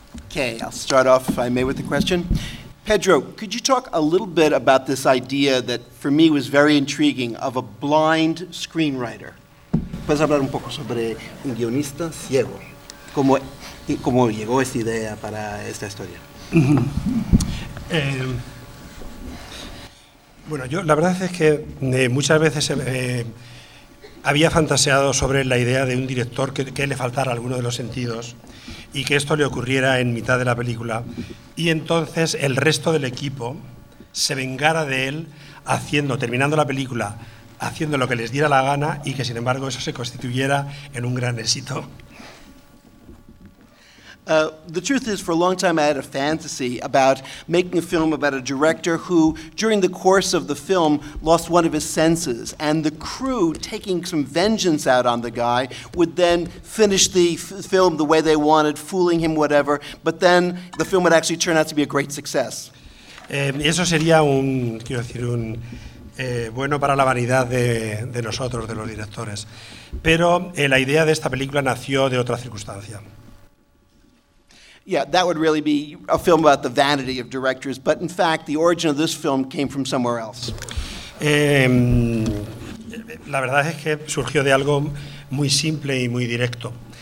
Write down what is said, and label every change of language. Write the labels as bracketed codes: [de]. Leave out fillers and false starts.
[en] Okay, I'll start off, if I may, with a question. Pedro, could you talk a little bit about this idea that, for me, was very intriguing of a blind screenwriter? [es] ¿Puedes hablar un poco sobre un guionista ciego? ¿Cómo llegó esta idea para esta historia? Bueno, yo la verdad es que muchas veces había fantaseado sobre la idea de un director que le faltara alguno de los sentidos y que esto le ocurriera en mitad de la película y entonces el resto del equipo se vengara de él terminando la película, haciendo lo que les diera la gana y que sin embargo eso se constituyera en un gran éxito. [en] The truth is, for a long time I had a fantasy about making a film about a director who, during the course of the film, lost one of his senses, and the crew, taking some vengeance out on the guy, would then finish the film the way they wanted, fooling him, whatever, but then the film would actually turn out to be a great success. [es] Eso sería bueno para la vanidad de nosotros, de los directores. Pero la idea de esta película nació de otra circunstancia. [en] Yeah, that would really be a film about the vanity of directors, but in fact, the origin of this film came from somewhere else. [es] La verdad es que surgió de algo muy simple y muy directo.